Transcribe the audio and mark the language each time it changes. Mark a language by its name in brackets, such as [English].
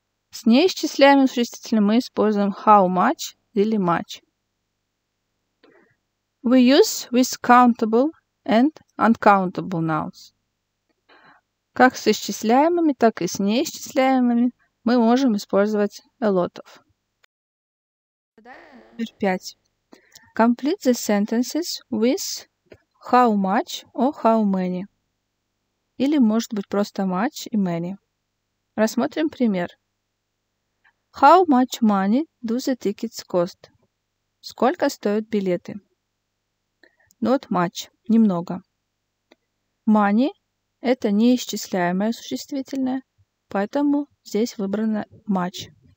[Russian] С неисчисляемыми существительными мы используем how much или much. [English] We use with countable and uncountable nouns. [Russian] Как с исчисляемыми, так и с неисчисляемыми мы можем использовать a lot of. Номер 5. [English] Complete the sentences with how much or how many. [Russian] Или может быть просто much и many. Рассмотрим пример. [English] How much money do the tickets cost? [Russian] Сколько стоят билеты? [English] Not much. [Russian] Немного. Money – это неисчисляемое существительное, поэтому здесь выбрано much.